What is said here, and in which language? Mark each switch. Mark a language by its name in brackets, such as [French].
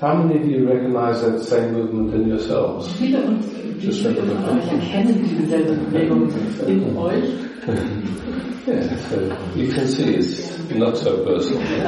[English] How many of you recognize that same movement in yourselves? [German] Viele von euch erkennen diese Bewegung in euch. [English] Yeah, so you can see it's not so personal.